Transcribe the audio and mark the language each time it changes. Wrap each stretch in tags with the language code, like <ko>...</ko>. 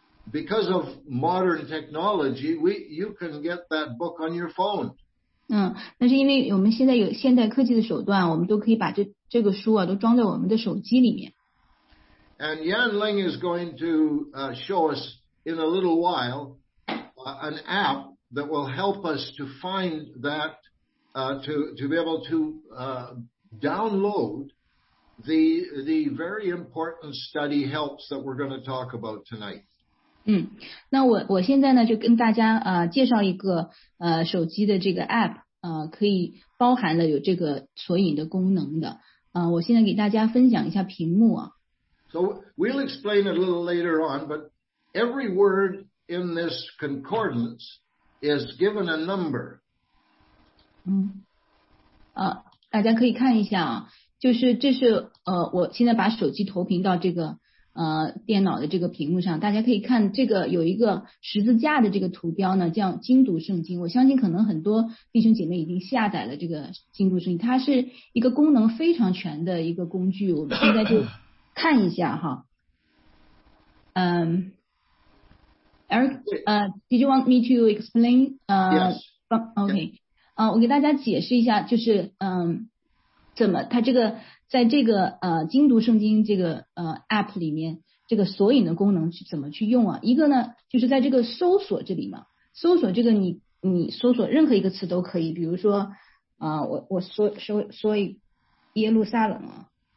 <en>Because of modern technology, you can get that book on your phone.</en> <zh>那是因为我们现在有现代科技的手段，我们都可以把这个书啊都装在我们的手机里面。</zh> <en>And Yan Ling is going to show us in a little while an app that will help us to find that to be able to download the very important study helps that we're going to talk about tonight.</en> <zh>那我现在呢就跟大家介绍一个手机的这个 app 可以包含了有这个索引的功能的。我现在给大家分享一下屏幕啊。</zh> <en>So we'll explain a little later on, but every word in this concordance is given a number.</en> <zh>大家可以看一下啊，就是这是我现在把手机投屏到这个电脑的这个屏幕上，大家可以看这个有一个十字架的这个图标呢，叫精读圣经。我相信可能很多弟兄姐妹已经下载了这个精读圣经，它是一个功能非常全的一个工具。我们现在就看一下哈。</zh> <en>Eric, did you want me to explain? Yes. Okay.</en> <zh>我给大家解释一下，就是怎么它这个在这个精读圣经这个app 里面，这个索引的功能是怎么去用啊？一个呢，就是在这个搜索这里嘛，搜索这个你搜索任何一个词都可以，比如说我说耶路撒冷啊。</zh>